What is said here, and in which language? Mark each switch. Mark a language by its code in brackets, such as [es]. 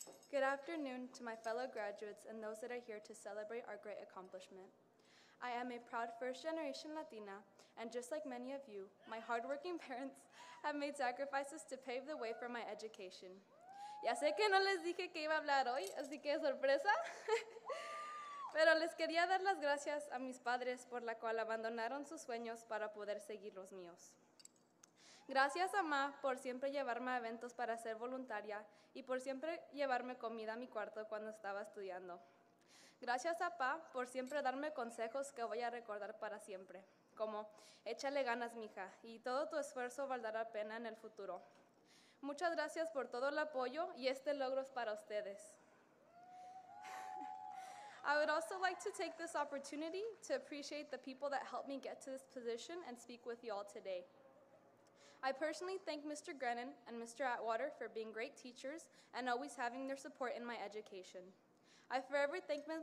[en] Good afternoon to my fellow graduates and those that are here to celebrate our great accomplishment. I am a proud first-generation Latina, and just like many of you, my hardworking parents have made sacrifices to pave the way for my education. [es] Ya sé que no les dije que iba a hablar hoy, así que sorpresa. Pero les quería dar las gracias a mis padres por la cual abandonaron sus sueños para poder seguir los míos. Gracias a Ma por siempre llevarme a eventos para ser voluntaria y por siempre llevarme comida a mi cuarto cuando estaba estudiando. Gracias a Pa por siempre darme consejos que voy a recordar para siempre, como échale ganas, mija, y todo tu esfuerzo valdrá la pena en el futuro. Muchas gracias por todo el apoyo y este logro es para ustedes. [en] I would also like to take this opportunity to appreciate the people that helped me get to this position and speak with you all today. I personally thank Mr. Grennan and Mr. Atwater for being great teachers and always having their support in my education. I forever thank Ms.